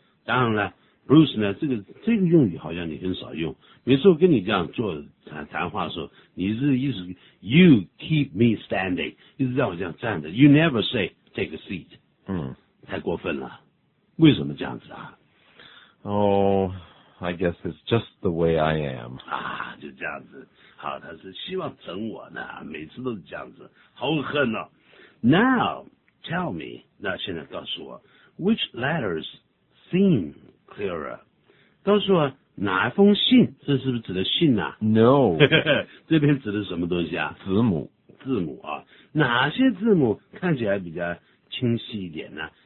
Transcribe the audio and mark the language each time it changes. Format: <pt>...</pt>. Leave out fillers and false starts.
<zh>当然了 ，Bruce 呢，这个用语好像你很少用，每次我跟你这样做谈话的时候，你是一直</zh> <en>you keep me standing，</en> <zh>一直让我这样站着 ，</zh> <en>you never say take a seat。</en> <zh>太过分了，为什么这样子啊？哦、oh, ，</zh> <en>I guess it's just the way I am.</en> <zh>啊，就这样子。好，他是希望整我呢，每次都是这样子，好恨哦。</zh> <en>Now, tell me,</en> <zh>那现在告诉我</zh> <en>,which letters seem clearer?</en> <zh>告诉我哪封信，这是不是指的信呢、啊、</zh> <en>?No.</en> <zh>这边指的什么东西啊？字母。字母啊。哪些字母看起来比较清晰一点呢？</zh>